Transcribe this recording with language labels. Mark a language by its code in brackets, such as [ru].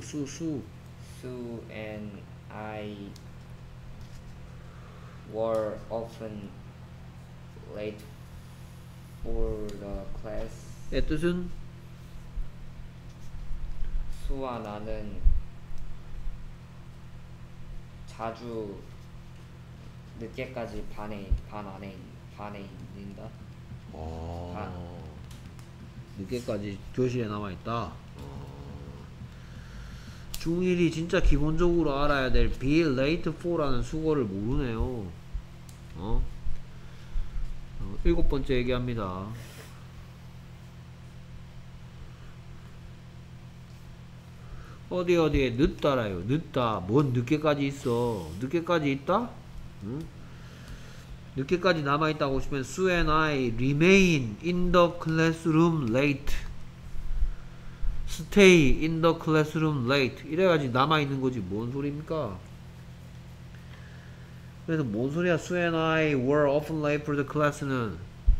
[en] Sue and I were often late for the class. [ko] 뜻은 수와 나는 자주 늦게까지 반에 있는다. 반. 늦게까지 교실에 남아있다. 중1이 진짜 기본적으로 알아야 될 be late for라는 수거를 모르네요. 일곱 번째 얘기합니다. 어디에 늦다라요. 늦다. 뭔 늦게까지 있어. 늦게까지 있다? 응? 늦게까지 남아있다고 싶으면 [en] 수 and I remain in the classroom late. Stay in the classroom late. [ko] 이래야지 남아있는 거지. 뭔 소리입니까? 그래서 뭔 소리야? [en] Sue and I were often late for the class는.